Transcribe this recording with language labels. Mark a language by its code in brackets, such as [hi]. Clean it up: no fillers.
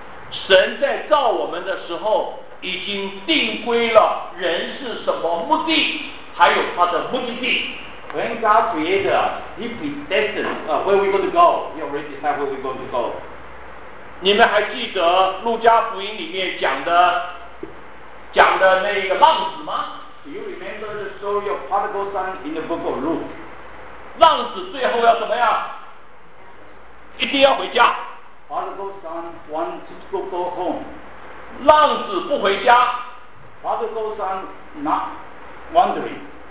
[zh] 神在造我们的时候已经定规了人是什么目的，还有他的目的地。 [en] When God created us, he predestined where we're going to go. He already said where we're going to go. [zh] 你们还记得路加福音里面讲的那个浪子吗？ [en] Do you remember the story of prodigal son in the book of Luke? [zh] 浪子最后要怎么样？一定要回家。 [en] Prodigal son wants to go home. [zh] 浪子不回家。 [en] Prodigal son not wandering.